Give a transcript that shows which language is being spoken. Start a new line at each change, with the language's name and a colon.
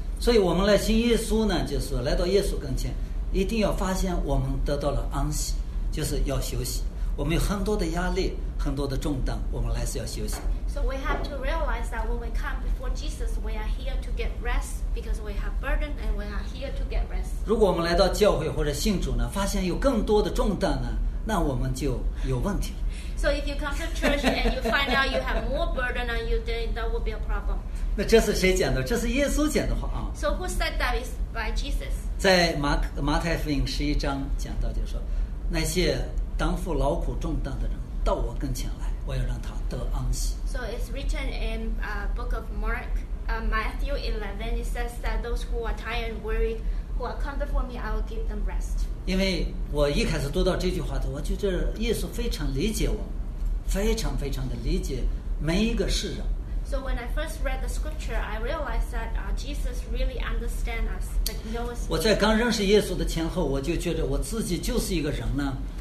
Chinese: 所以我们来信耶稣呢，就是来到耶稣跟前，一定要发现我们得到了安息，就是要休息。我们有很多的压力，很多的重担，我们来是要休息。
English: So we have to realize that when we come before Jesus, we are here to get rest because we have burden and we are here to get rest.
Chinese: 如果我们来到教会或者信主呢，发现有更多的重担呢，那我们就有问题。
English: So if you come to church and you find out you have more burden on you, then that will be a problem.
Chinese: 那这是谁讲的？这是耶稣讲的话啊。
English: So who said that is by Jesus?
Chinese: 在马太福音十一章讲到，就是说，那些担负劳苦重担的人到我跟前来，我要让他得安息。
English: So it's written in book of Mark, Matthew 11. It says that those who are tired and worried, who are come before me, I will give them rest.
Chinese: 因为我一开始读到这句话的，我觉得耶稣非常理解我，非常非常的理解每一个世人。
English: So when I first read the scripture, I realized that Jesus really understands us, but knows.
Chinese: 我在刚认识耶稣的前后，我就觉得我自己就是一个人呢。